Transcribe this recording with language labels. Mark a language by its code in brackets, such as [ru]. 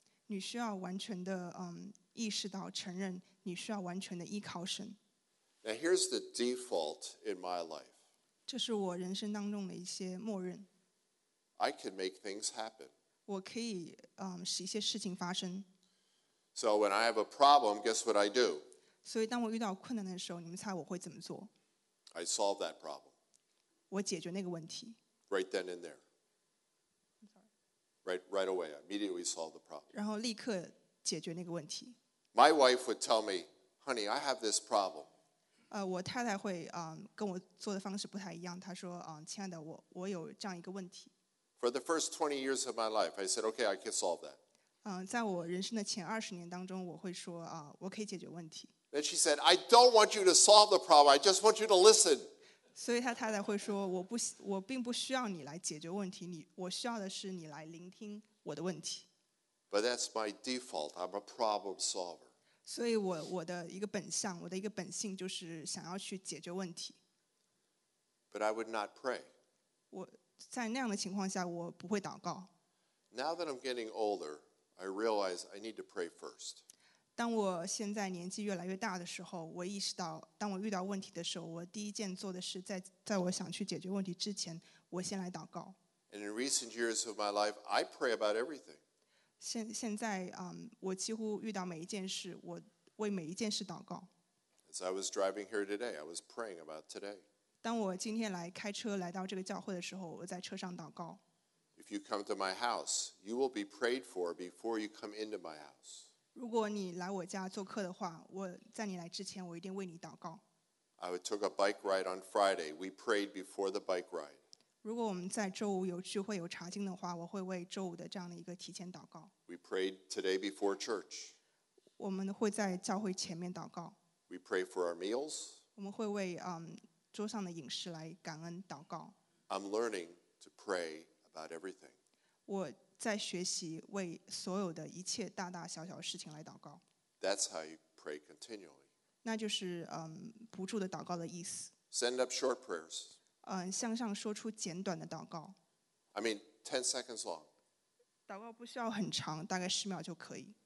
[zh] 你需要完全的意识到，承认你需要完全的依靠神。 [en] Now here's the default in my life. [zh] 这是我人生当中的一些默认。 [en] I can make things happen. [zh] 我可以使一些事情发生。 [en] So when I have a problem, guess what I do? [zh] 所以当我遇到困难的时候，你们猜我会怎么做？ [en] I solve that problem. [zh] 我解决那个问题。 [en] Right then and there. Right away, I immediately solve the problem. [zh] 然后立刻解决那个问题。 [en] My wife would tell me, "Honey, I have this problem." [zh] 我太太会跟我做的方式不太一样。她说亲爱的，我有这样一个问题。 [en] For the first 20 years of my life, I said, okay, I can solve that. [zh] 在我人生的前二十年当中，我会说我可以解决问题。 [en] Then she said, I don't want you to solve the problem. I just want you to listen. [zh] 所以她太太会说，我并不需要你来解决问题，我需要的是你来聆听我的问题。 [en] But that's my default. I'm a problem solver. [zh] 所以我的一个本相，我的一个本性就是想要去解决问题。 [en] But I would not pray. [zh] 我在那样的情况下，我不会祷告。 [en] Now that I'm getting older, I realize I need to pray first. [zh] 当我现在年纪越来越大的时候，我意识到当我遇到问题的时候，我第一件做的是 在我想去解决问题之前，我先来祷告。 [en] And in recent years of my life, I pray about everything. [zh] 现在我几乎遇到每一件事，我为每一件事祷告。 [en] As I was driving here today, I was praying about today. [zh] 当我今天来开车来到这个教会的时候，我在车上祷告。 [en] If you come to my house, you will be prayed for before you come into my house. [zh] 如果你来我家做客的话，我在你来之前，我一定为你祷告。 [en] I took a bike ride on Friday. We prayed before the bike ride. [zh] 如果我们在周五有聚会有查经的话，我会为周五的这样的一个提前祷告。 [en] We prayed today before church. [zh] 我们会在教会前面祷告。 [en] We pray for our meals. [zh] 我们会为桌上的饮食来感恩祷告。 [en] I'm learning to pray about everything. [zh] 我在学习为所有的一切大大小小的事情来祷告。 [en] That's how you pray continually. [zh] 那就是不住的祷告的意思。 [en] Send up short prayers. [zh] 向上说出简短的祷告。 [en] I mean, 10 seconds long. [zh] 祷告不需要很长，大概10秒就可以。